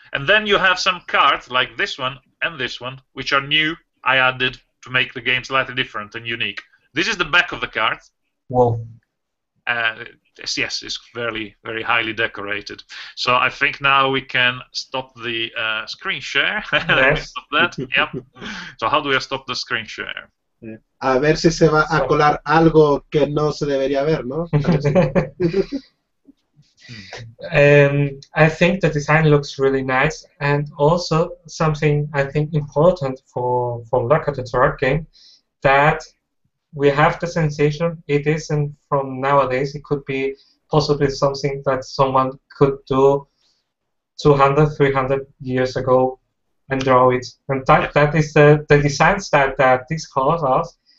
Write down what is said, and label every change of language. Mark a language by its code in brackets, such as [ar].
[en] And then you have some cards like this one and this one, which are new. I added to make the game slightly different and unique. This is the back of the card. Whoa. Yes, it's very, very highly decorated. So I think now we can stop the screen share. Yes. Stop that. Yep. So how do we stop the screen share? [es] A ver si se va a colar algo que no se debería ver, ¿no? [en] I think the design looks really nice, and also something I think important for Loka the Tarot game, that we have the sensation it isn't from nowadays. It could be possibly something that someone could do 200, 300 years ago and draw it. And that is the design style that this causes us,